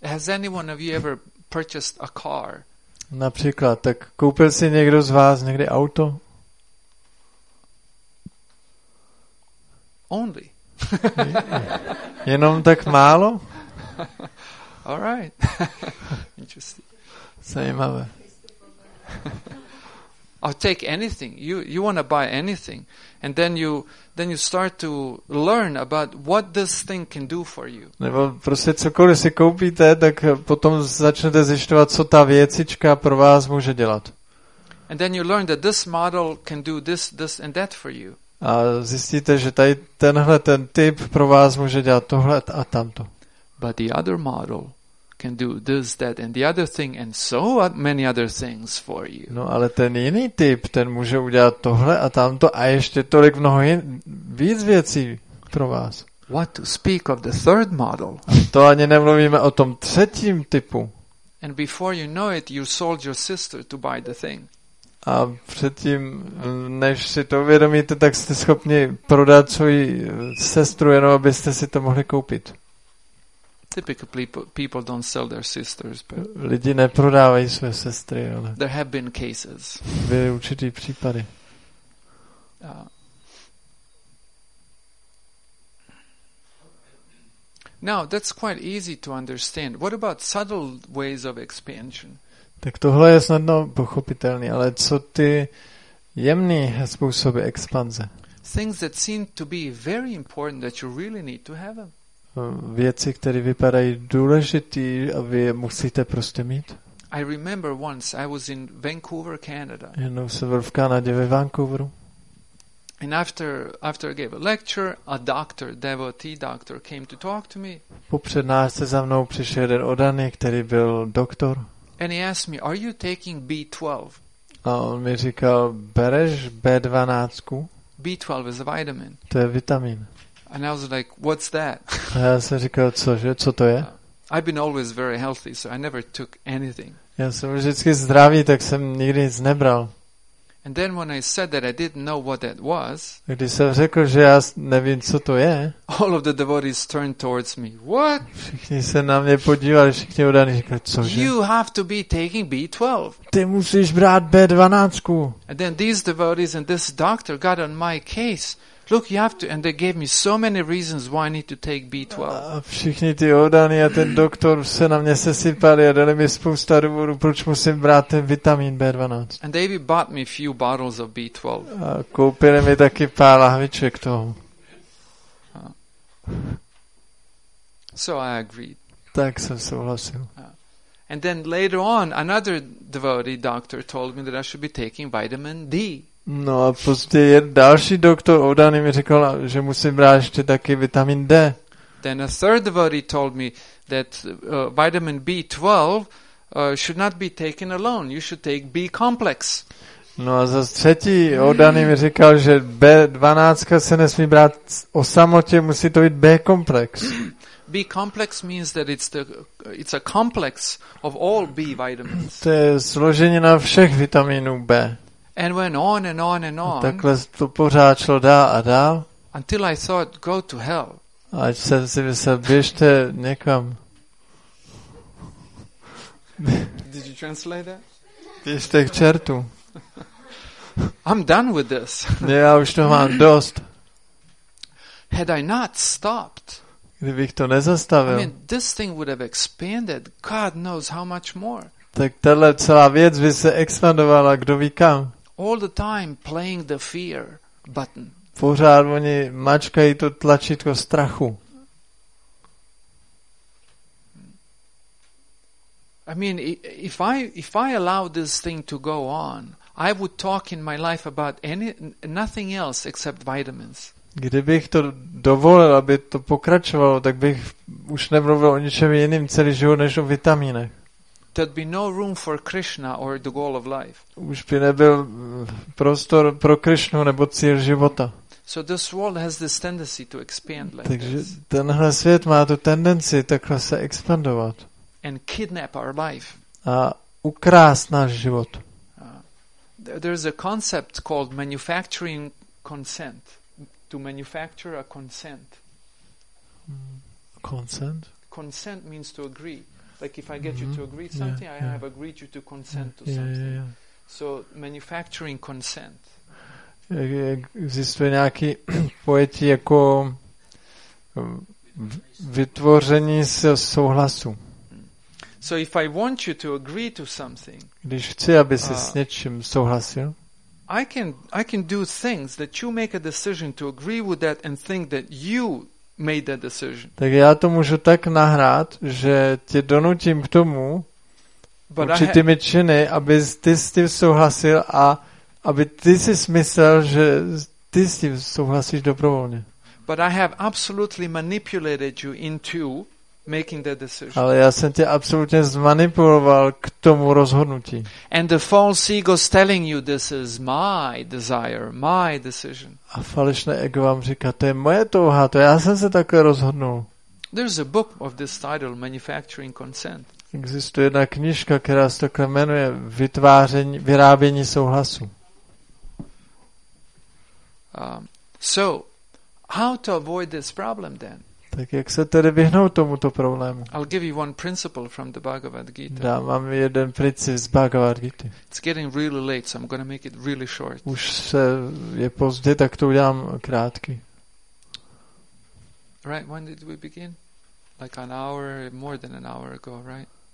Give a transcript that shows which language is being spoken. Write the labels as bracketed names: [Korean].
[English] Has anyone of you ever purchased a car? [Czech] Například, tak koupil si někdo z vás někdy auto? [English] Only. [Czech] Jenom tak málo? [English] All right. Interesting. [Czech] Zajímavé. [English] I'll take anything. You want to buy anything, and then you start to learn about what this thing can do for you. [Czech] Nebo prostě cokoliv si koupíte, tak potom začnete zjišťovat, co ta věcička pro vás může dělat. [English] And then you learn that this model can do this and that for you. [Czech] A zjistíte, že tady tenhle ten typ pro vás může dělat tohle a tamto. [English] But the other model can do this, that, and the other thing, and so many other things for you. [Czech] No, ale ten jiný typ, ten může udělat tohle a tamto a ještě tolik mnoho víc věcí pro vás. [English] What to speak of the third model? [Czech] To ani nemluvíme o tom třetím typu. [English] And before you know it, you sold your sister to buy the thing. [Czech] A předtím, než si to uvědomíte, tak jste schopni prodat svoji sestru, jenom abyste si to mohli koupit. [English] Typically people don't sell their sisters, but [Czech] lidi neprodávají své sestry, ale [English] there have been cases. [Czech] Byly určitý případy. [English] Now that's quite easy to understand. What about subtle ways of expansion? [Czech] Tak tohle je snadno pochopitelný, ale co ty jemné způsoby expanze? [English] Things that seem to be very important that you really need to have them. [Czech] Věci, které vypadají důležitý a vy je musíte prostě mít. [English] I remember once I was in Vancouver, Canada. [Czech] Jednou jsem byl v Kanadě ve Vancouveru. [English] And after I gave a lecture, a doctor, devotee doctor came to talk to me. [Czech] Po přednášce za mnou přišel jeden oddaný, který byl doktor. [English] And he asked me, "Are you taking B12?" [Czech] A on mi říkal, bereš B12? [English] B12 is a vitamin. [Czech] To je vitamin. [English] And I was like, "What's that?" [Czech] A já jsem říkal, cože, co to je? [English] I've been always very healthy, so I never took anything. [Czech] Já jsem vždycky zdravý, tak jsem nikdy nic nebral. [English] And then when I said that I didn't know what that was, [Czech] když jsem řekl, že já nevím, co to je, [English] all of the devotees turned towards me. What? [Czech] Všichni se na mě podívali, všichni udali, říkali, cože? [English] You have to be taking B12. [Czech] Ty musíš brát B12. [English] And then these devotees and this doctor got on my case. Look, you have to, and they gave me so many reasons why I need to take B12. [Czech] A všichni ty oddaní a ten doktor se na mě sesypali a dali mi spousta důvodů, proč musím brát ten vitamin B12. [English] And they even bought me a few bottles of B12. [Czech] A koupili mi taky pár lahviček toho. [English] So I agreed. [Czech] Tak jsem souhlasil. [English] And then later on, another devotee doctor told me that I should be taking vitamin D. [Czech] No a později další doktor Odany mi řekl, že musím brát ještě taky vitamin D. [English] Then a third devotee told me that vitamin B12 should not be taken alone. You should take B complex. [Czech] No a za třetí Odany mi říkal, že B12 se nesmí brát o samotě, musí to být B komplex. [English] B complex means that it's a complex of all B vitamins. [Czech] To je složenina všech vitaminů B. [English] And went on and on and on. [Czech] Takhle to pořád šlo dál a dál. [English] Until I thought, go to hell. [Czech] Až jsem si myslel, běžte někam. [English] Did you translate that? [Czech] Běžte k čertu. [English] I'm done with this. [Czech] Já už to mám dost. [English] Had I not stopped. [Czech] Kdybych to nezastavil. [English] I mean, this thing would have expanded. God knows how much more. [Czech] Tak tahle celá věc by se expandovala, kdo ví kam. [English] All the time playing the fear button. [Czech] Pořád oni mačkají to tlačítko strachu. [English] I mean, if I allow this thing to go on, I would talk in my life about nothing else except vitamins. [Czech] Kdybych to dovolil, aby to pokračovalo, tak bych už nemluvil o ničem jiným celý život než o vitaminech. [English] There'd be no room for Krishna or the goal of life. [Czech] Už by nebyl prostor pro Krishnu nebo cíl života. [English] So this world has this tendency to expand like [Czech] takže [English] this. [Czech] Tenhle svět má tu tendenci takhle se expandovat. [English] And kidnap our life. [Czech] A ukrást náš život. [English] There's a concept called manufacturing consent. To manufacture a consent. Consent? Consent means to agree. Like if I get you to agree something, I have agreed you to consent to something. So manufacturing consent. [Czech] Existuje nějaký pojetí jako vytvoření souhlasu. [English] So if I want you to agree to something, [Czech] když chci, aby jsi s něčím souhlasil, [English] I can do things that you make a decision to agree with that and think that you made that decision. [Czech] Tak já to můžu tak nahrát, že tě donutím k tomu určitými činy, aby ty s tím souhlasil a aby ty si myslel, že ty s tím souhlasíš dobrovolně. [English] But I have absolutely manipulated you into making that decision. [Czech] Ale já jsem tě absolutně zmanipuloval k tomu rozhodnutí. [English] And the false ego is telling you this is my desire, my decision. [Czech] A falešné ego vám říká, to je moje touha, to já jsem se takhle rozhodnul. [English] There's a book of this title, Manufacturing Consent. [Czech] Existuje jedna knížka, která se takhle jmenuje Vytváření, vyrábění souhlasu. [English] So, how to avoid this problem then? [Czech] Tak jak se tedy vyhnout tomuto problému? [English] I'll give you one principle from the Bhagavad Gita. [Czech] Dám vám jeden princip z Bhagavad Gita. [English] It's getting really late, so I'm going to make it really short. [Czech] Už se je pozdě, tak to udělám krátký. [English] Right, when did we begin? Like an hour, more than an hour ago, right?